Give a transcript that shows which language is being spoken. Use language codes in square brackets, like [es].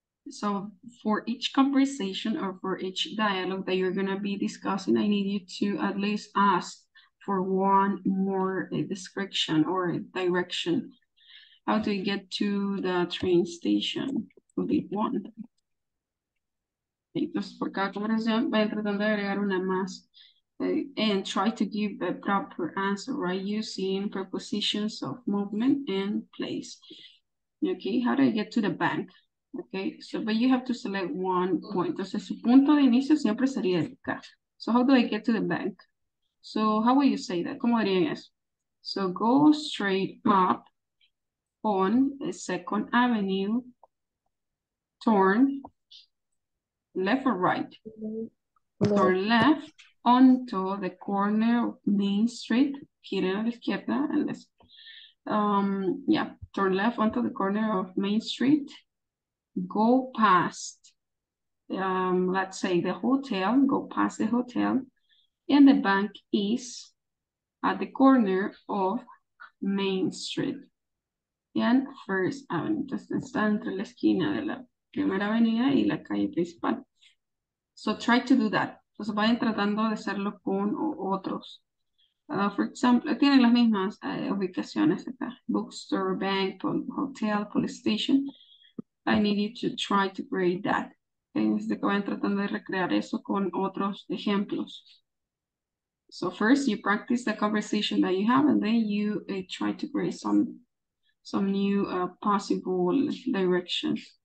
[en] So for each conversation or for each dialogue that you're gonna be discussing, I need you to at least ask for one more description or direction. How do I get to the train station? Would be one. [es] Entonces, por cada conversación, vayan tratando de agregar una más. [en] And try to give a proper answer, right? Using prepositions of movement and place. Okay, how do I get to the bank? Okay, so but you have to select one point. [es] Entonces, su punto de inicio siempre sería el acá. [en] So how do I get to the bank? So how will you say that? [es] ¿Cómo dirían eso? [en] So go straight up on the Second Avenue, turn left or right? Turn left. Onto the corner of Main Street, [es] giren a la izquierda, [en] unless, turn left onto the corner of Main Street, go past, let's say the hotel, go past the hotel, and the bank is at the corner of Main Street, and First Avenue, [es] entonces está entre la esquina de la primera avenida y la calle principal. [en] So try to do that. [es] Entonces vayan tratando de hacerlo con otros. [en] For example, [es] tienen las mismas ubicaciones acá. [en] Bookstore, bank, hotel, police station. I need you to try to create that. [es] Es de que vayan tratando de recrear eso con otros ejemplos. [en] So first you practice the conversation that you have and then you try to create some new possible directions.